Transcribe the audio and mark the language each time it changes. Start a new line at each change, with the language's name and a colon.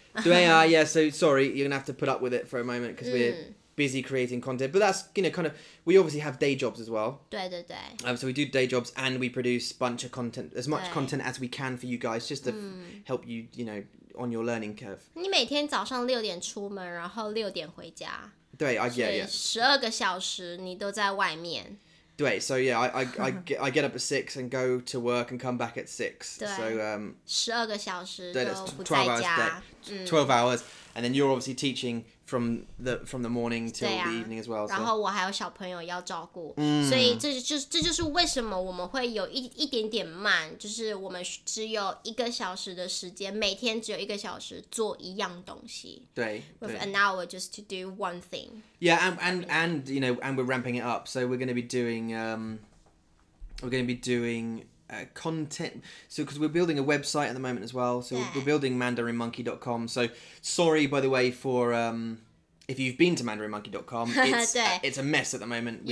English: 对啊, yeah, so sorry, you're going to have to put up with it for a moment because we're busy creating content. But that's, you know, kind of, we obviously have day jobs as well.
Chinese: 对对对。
English: So we do day jobs and we produce a bunch of content, as much content as we can for you guys, just to help you, you know, on your learning curve.
Chinese: 你每天早上六点出门,然后六点回家。
English: 对, yeah, yeah.
Chinese: 十二个小时你都在外面。
English: 对, so yeah, I get up at 6 and go to work and come back at 6.
Chinese: 对, so, 12个小时都不在家。12
English: hours, 12 hours, and then you're obviously teaching from the morning till the evening as well.
Chinese: 然后我还有小朋友要照顾。所以这就是为什么我们会有一点点慢，就是我们只有一个小时的时间，每天只有一个小时做一样东西。对,
English: with an hour just to do one thing. Yeah, and you know, and we're ramping it up. So we're going to be doing, content, so because we're building a website at the moment as well, so we're building mandarinmonkey.com. So sorry, by the way, for if you've been to mandarinmonkey.com, it's a mess at the moment.